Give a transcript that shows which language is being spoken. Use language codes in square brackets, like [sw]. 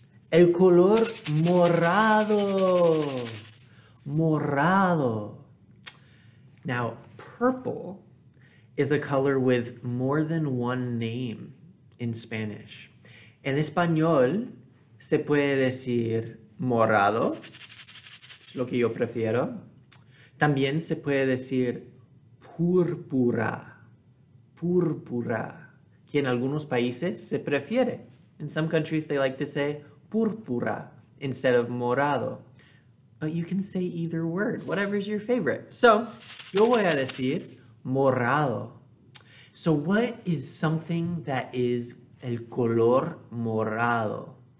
[es] El color morado. Morado. [en] Now, purple is a color with more than one name in Spanish. [es] En español, se puede decir morado, lo que yo prefiero. También se puede decir púrpura, púrpura, que en algunos países se prefiere. [en] In some countries, they like to say púrpura instead of morado. But you can say either word, whatever is your favorite. So, [es] yo voy a decir morado. [en] So what is something that is [es] el color morado?